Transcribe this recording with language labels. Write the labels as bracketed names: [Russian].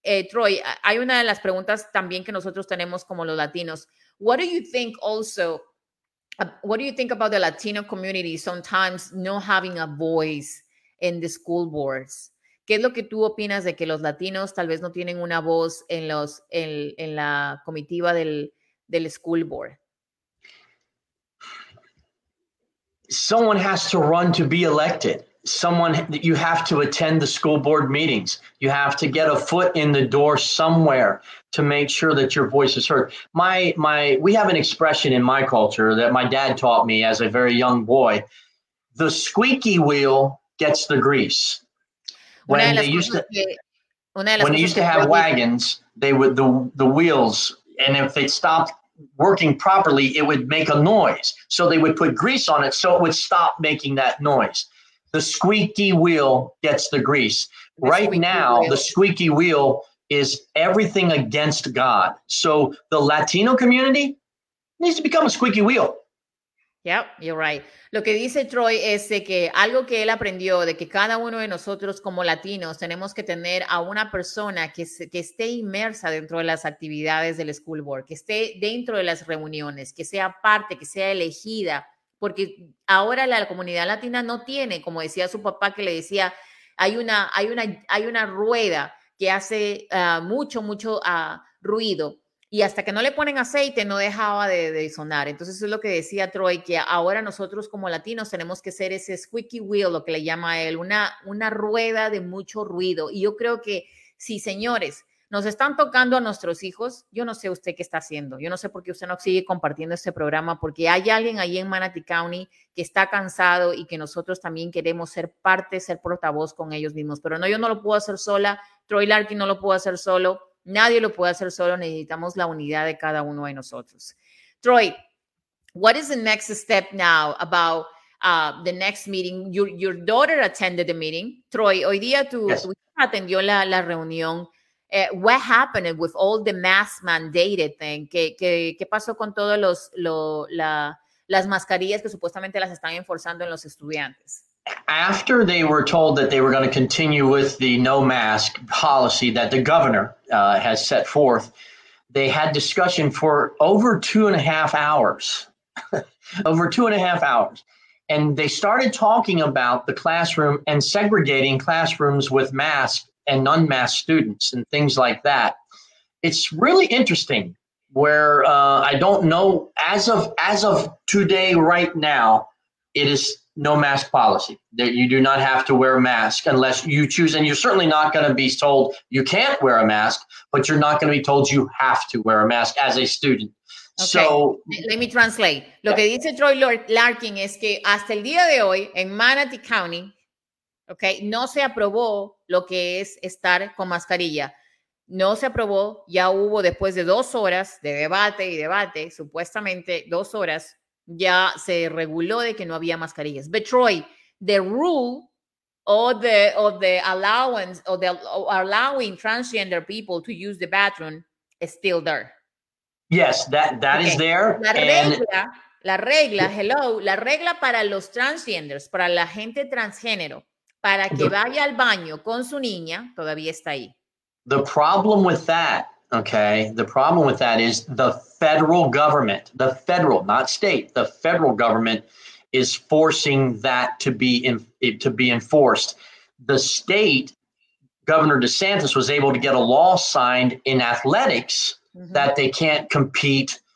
[Spanish] Troy, hay una de las preguntas también que nosotros tenemos como los latinos. [English] What do you think also, what do you think about the Latino community sometimes not having a voice in the school boards? [Spanish] ¿Qué es lo que tú opinas de que los latinos tal vez no tienen una voz en la comitiva del school board? [English] someone has to run to be elected. Someone, you have to attend the school board meetings. You have to get a foot in the door somewhere to make sure that your voice is heard. My, we have an expression in my culture that my dad taught me as a very young boy. The squeaky wheel gets the grease. When they used to have wagons, the wheels, and if they stopped working properly, it would make a noise. So they would put grease on it so it would stop making that noise. The squeaky wheel gets the grease. The squeaky wheel is everything against God. So the Latino community needs to become a squeaky wheel. Yep, you're right. [Spanish] Lo que dice Troy es de que algo que él aprendió de que cada uno de nosotros como latinos tenemos que tener a una persona que esté inmersa dentro de las actividades del school board, que esté dentro de las reuniones, que sea parte, que sea elegida, porque ahora la comunidad latina no tiene, como decía su papá, que le decía, hay una rueda que hace mucho ruido. Y hasta que no le ponen aceite, no dejaba de sonar. Entonces, eso es lo que decía Troy, que ahora nosotros como latinos tenemos que ser ese squeaky wheel, lo que le llama a él, una rueda de mucho ruido. Y yo creo que, sí, señores, nos están tocando a nuestros hijos, yo no sé usted qué está haciendo. Yo no sé por qué usted no sigue compartiendo este programa, porque hay alguien ahí en Manatee County que está cansado y que nosotros también queremos ser parte, ser portavoz con ellos mismos. Pero no, yo no lo puedo hacer sola. Troy Larkin no lo puedo hacer solo. Nadie lo puede hacer solo, necesitamos la unidad de cada uno de nosotros. [English] Troy, what is the next step now about the next meeting? Your daughter attended the meeting. [Spanish] Troy, hoy día atendió la reunión. [English] What happened with all the mask mandated thing? [Spanish] ¿Qué pasó con todos las mascarillas que supuestamente las están enforzando en los estudiantes? [English] After they were told that they were going to continue with the no mask policy that the governor has set forth, they had discussion for over 2.5 hours, over 2.5 hours. And they started talking about the classroom and segregating classrooms with masked and unmasked students and things like that. It's really interesting where I don't know as of today, right now, it is no mask policy, that you do not have to wear a mask unless you choose. And you're certainly not going to be told you can't wear a mask, but you're not going to be told you have to wear a mask as a student. Okay. So let me translate. [Spanish] Lo que dice Troy Larkin es que hasta el día de hoy en Manatee County, okay, no se aprobó lo que es estar con mascarilla. No se aprobó. Ya hubo después de 2 horas de debate y debate, supuestamente 2 horas, ya se reguló de que no había mascarillas. [English] But Troy, the rule or allowing transgender people to use the bathroom is still there. Yes, that okay. is there. [Spanish] La regla para los transgenders, para la gente transgénero, para que vaya al baño con su niña, todavía está ahí. [English] The problem with that, okay, the problem with that is the federal government is forcing that to be enforced. The state, Governor DeSantis, was able to get a law signed in athletics that they can't compete.